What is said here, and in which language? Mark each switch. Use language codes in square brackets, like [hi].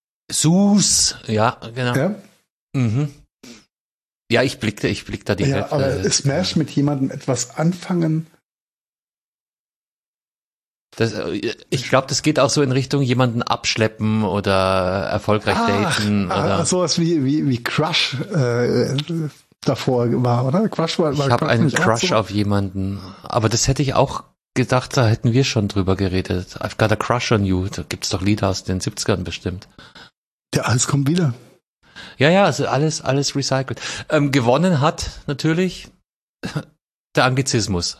[de] Sus, ja, genau. Ja. Mhm. Ja, ich blick da die Hälfte. Ja, aber Smash mit jemandem etwas anfangen. Das, ich glaube, das geht auch so in Richtung jemanden abschleppen oder erfolgreich daten. So was wie Crush davor war, oder? Crush war ich habe einen Crush auf jemanden. Aber das hätte ich auch gedacht, da hätten wir schon drüber geredet. [en] I've got a crush on you. [de] Da gibt's doch Lieder aus den 70ern bestimmt. Ja, alles kommt wieder. Ja, also alles recycelt. Gewonnen hat natürlich der Anglizismus.